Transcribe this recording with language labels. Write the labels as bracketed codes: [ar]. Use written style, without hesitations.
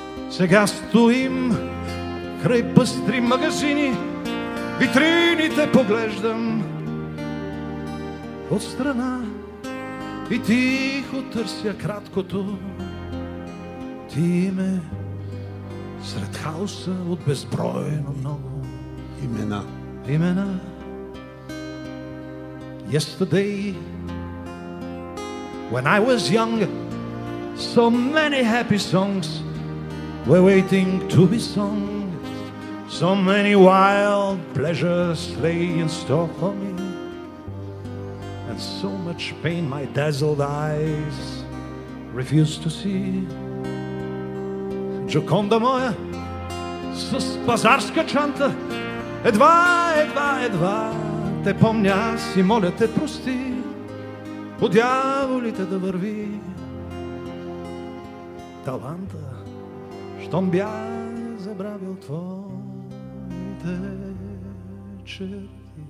[bg] Сега стоим край пъстри магазини, витрините поглеждам отстрана и тихо търся краткото ти име сред хаоса от безбройно много имена. Имена. [en] Yesterday, when I was young, so many happy songs were waiting to be sung. So many wild pleasures lay in store for me, and so much pain my dazzled eyes refused to see. [bg] Джоконда моя, с пазарска чанта, едва, едва, едва те помня си, моля те, прости, по дяволите да върви таланта, щом бях забравил твоите черти.